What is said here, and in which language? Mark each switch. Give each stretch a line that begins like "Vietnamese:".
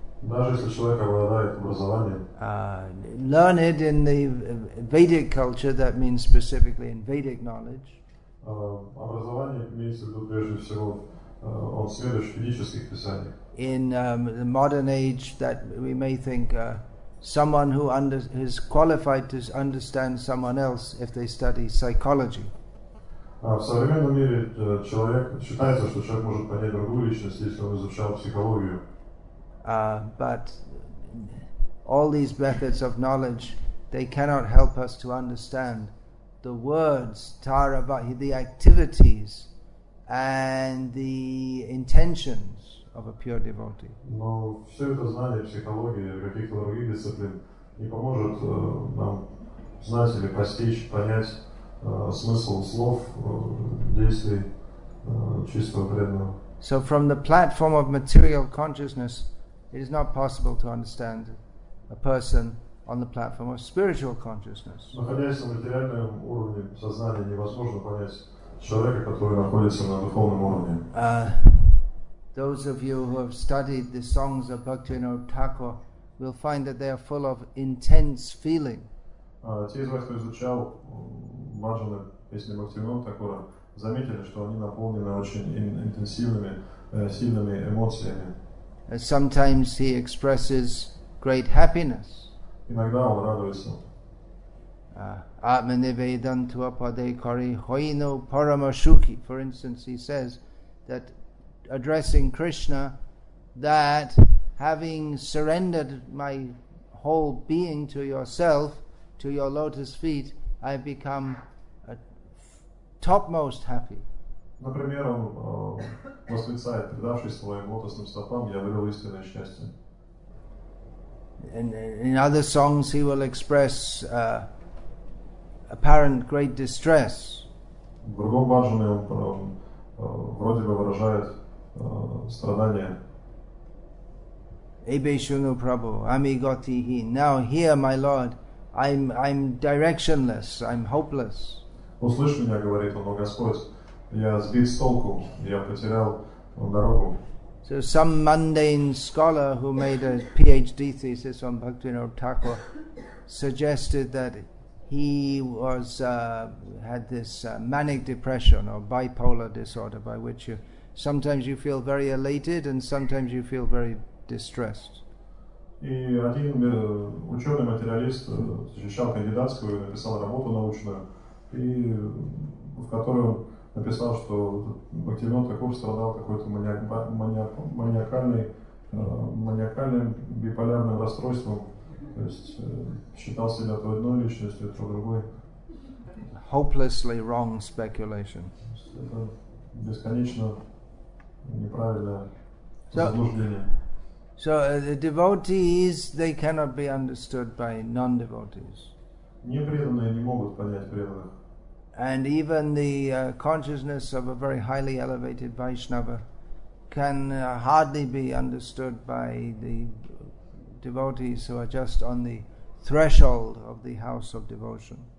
Russian: Даже если человек обладает образованием.
English: Learned in the Vedic culture, that means specifically in Vedic knowledge.
Russian: Образование имеется в виду прежде всего он сведущ в ведических писаниях.
English: In the modern age, that we may think someone who is qualified to understand someone else if they study psychology.
Russian: В современном мире человек считается, что человек может понять другую личность, если он изучал психологию.
English: But all these methods of knowledge, they cannot help us to understand the words, Tarabhahi, the activities and the intentions of a pure devotee.
Russian: Но все это знание психологии или каких-то других дисциплин не поможет нам знать или постичь, понять смысл слов, действий чистого преданного.
English: So from the platform of material consciousness, it is not possible to understand a person on the platform of spiritual consciousness.
Russian: Находясь на материальном уровне сознания, невозможно понять человека, который находится на духовном уровне.
English: Those of you who have studied the songs of Bhaktivinoda Thakur will find that they are full of intense feeling.
Russian: Те из вас, кто изучал баджаны песни Бхактивинода Такура, заметили, что они наполнены очень интенсивными, сильными эмоциями.
English: Sometimes he expresses great happiness.
Russian: Иногда он радуется.
Bangla: Атманивейданту ападейкари хойно парамашуки.
English: For instance, he says that addressing Krishna, that having surrendered my whole being to yourself, to your lotus feet, I become a topmost happy.
Russian: Например, он восклицает, предавшись своим лотосным стопам, я обрел истинное счастье.
English: In other songs he will express apparent great distress.
Russian: В другом баджане он вроде бы выражает страдания.
Bangla: Ebeshunu Prabhu, Amigoti hi.
English: Now hear my Lord, I'm directionless, I'm hopeless.
Russian: Услышь меня, говорит он, о Господь, я сбит с толку, я потерял дорогу.
English: So some mundane scholar who made a PhD thesis on Bhaktivinoda Thakur suggested that he was had this manic depression or bipolar disorder, by which you sometimes you feel very elated and sometimes you feel very distressed.
Russian: И один ученый материалист защищал кандидатскую, написал работу научную, и в которой он написал, что Бхактивинода Такур страдал какой-то маниакальным биполярным расстройством, то есть считал себя то одной личностью, то другой.
English: Hopelessly wrong speculation.
Russian: Это бесконечно неправильное заблуждение.
English: So the devotees, they cannot be understood by non-devotees.
Russian: Непреданные не могут понять преданных.
English: And even the consciousness of a very highly elevated Vaishnava can hardly be understood by the devotees who are just on the threshold of the house of devotion.